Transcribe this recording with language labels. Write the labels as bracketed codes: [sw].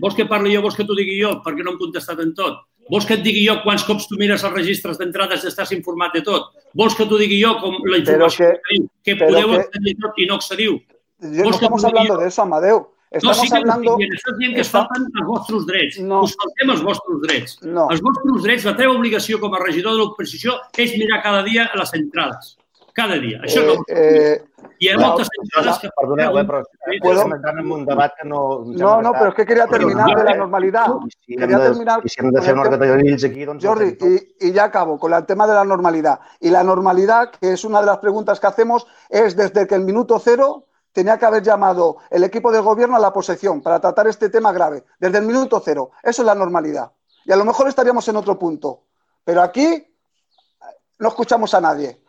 [ca] Vols que parli jo, vols que t'ho digui jo, perquè no hem contestat en tot? Vols que et digui jo quants cops tu mires els registres d'entrades i estàs informat de tot? Vols que t'ho digui jo com la informació que podeu accedir tot i no accediu? [es] No estamos hablando de eso, Amadeu. [ca] Estàs dient que es falten els vostres drets. Us faltem els vostres drets. Els vostres drets, la teva obligació com a regidor de l'oposició és mirar cada dia a les entrades. Cada dia. Això no. Hi ha moltes entrades que... Perdoneu, però estem entrant en un debat que no... [es] No, [ca] però és que [es] quería terminar de la normalitat. [ca] I si hem de fer un ordre de llavors aquí, doncs... [es] Jordi, [ca] i ja acabo, [es] con el tema de la normalitat. [ca] I la normalitat, que és una de les [es] preguntes que hacemos, és des que el minuto cero tenía que haber llamado el equipo de gobierno a la oposición para tratar este tema grave, desde el minuto cero. Eso es la normalidad. Y a lo mejor estaríamos en otro punto. Pero aquí no escuchamos a nadie.